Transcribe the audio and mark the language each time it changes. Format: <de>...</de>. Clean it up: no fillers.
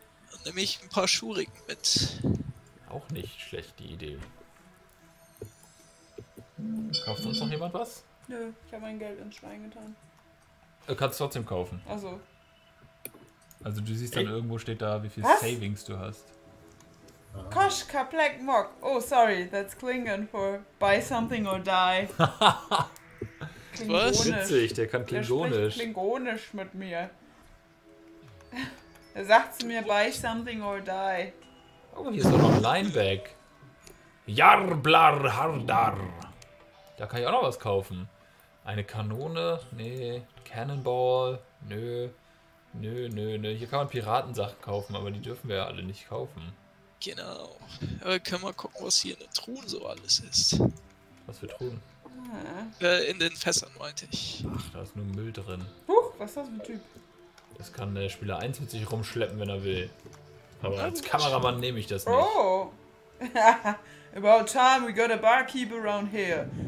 <de>Dann nehme ich ein paar Shuriken mit. Auch nicht schlecht, die Idee. Kauft uns noch jemand was? Nö, ich habe mein Geld ins Schwein getan. Kannst du trotzdem kaufen. Achso. Also du siehst dann irgendwo steht da, wie viel was? Savings du hast. Koschka Black Mock.</de> <en>Oh, sorry, that's Klingon for buy something or die.</en> <de>Was? Witzig, der kann Klingonisch. Der spricht Klingonisch mit mir. Er sagt zu mir,</de> <en>buy something or die.</en> <de>Oh, hier ist doch noch ein Lineback. Jarblar Hardar. Da kann ich auch noch was kaufen. Eine Kanone? Nee. Cannonball? Nö. Nö, nö, nö. Hier kann man Piratensachen kaufen, aber die dürfen wir ja alle nicht kaufen. Genau. Aber können wir gucken, was hier in den Truhen so alles ist. Was für Truhen? In den Fässern, meinte ich. Ach, da ist nur Müll drin. Huch, was ist das für ein Typ? Das kann der Spieler 1 mit sich rumschleppen, wenn er will. Aber als Kameramann nehme ich das nicht. Oh!</de> <en>About time we got a barkeep around here.</en>